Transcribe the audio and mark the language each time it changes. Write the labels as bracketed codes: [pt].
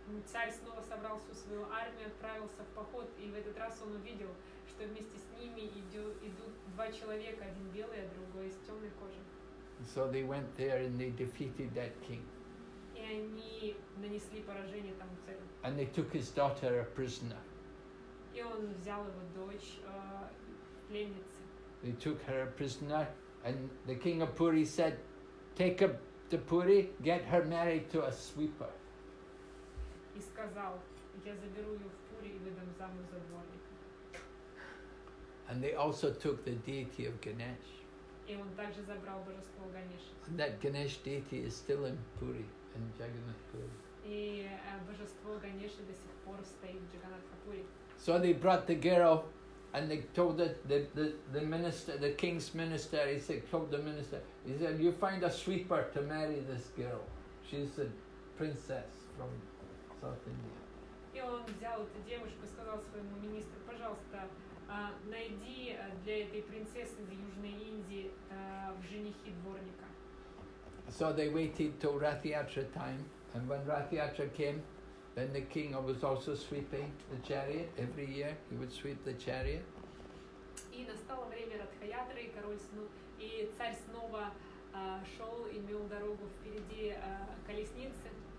[ru] Царь снова собрал всю свою армию, отправился в поход, и в этот раз он увидел, что вместе с ними идут два человека, один белый, а другой с темной кожей. [en] So they went there and they defeated that king. [ru] И они нанесли поражение тому царю. [en] And they took his daughter a prisoner. [ru] И он взял его дочь пленницы. [en] They took her a prisoner, and the king of Puri said, "Take her to Puri, get her married to a sweeper." [ru] И сказал, я заберу ее в Пури и выдам замуж за дворника. [en] And they also took the deity of Ganesh. [ru] И он также забрал божество Ганеша. [en] And that Ganesh deity is still in Puri, in Jagannath Puri. [ru] И божество Ганеша до сих пор стоит в Джаганнатха Пури. [en] So they brought the girl, and they told the minister, the king's minister. He said, told the minister, he said, you find a sweeper to marry this girl. She's a princess from. [ru] И он взял эту девушку и сказал своему министру, пожалуйста, найди для этой принцессы из Южной Индии в женихи дворника. [en] So they waited till Rath Yatra time, and when Rath Yatra came, then the king was also sweeping the chariot every year. He would sweep the chariot. [ru] И настало время Ратха Ятры, и король и царь снова шел и мел дорогу впереди колесницы.